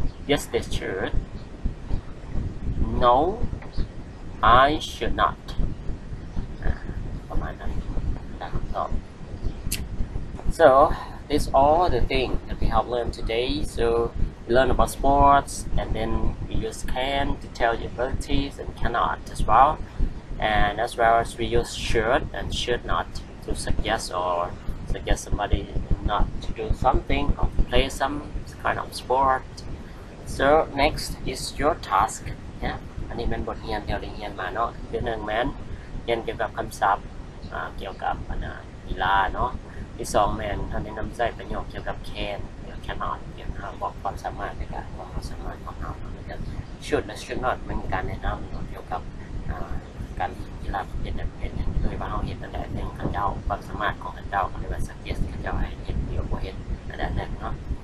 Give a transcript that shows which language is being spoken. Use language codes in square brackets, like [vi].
[en] yes they should no I should not [th] ประมาณนั้นนะครับ [en] so this all the thing that we have learned today soWe learn about sports, and then we use can to tell your abilities and cannot as well. And as well as we use should and should not to suggest somebody not to do something or play some kind of sport. So next is your task. [th] Yeah, อันนี้เป็นบทเรียนที่เราได้เรียนมาเนาะเรื่องหนึ่งแม่นเรียนเกี่ยวกับคำศัพท์เกี่ยวกับกีฬาเนาะที่สองแม่นท่านได้นำใช้ประโยคเกี่ยวกับ cancannot เนี่ยบอกความสามารถในการบอกความสามารถของเราเนี่ย should และ should not มันการแนะนำเกี่ยวกับการกีฬาประเภทใดโดยว่าเราเห็นอันใดหนึ่งของเราความสามารถของเราในการสังเกตของเราให้เห็นเดียวกว่าเห็นอันใดหนึ่งเนาะ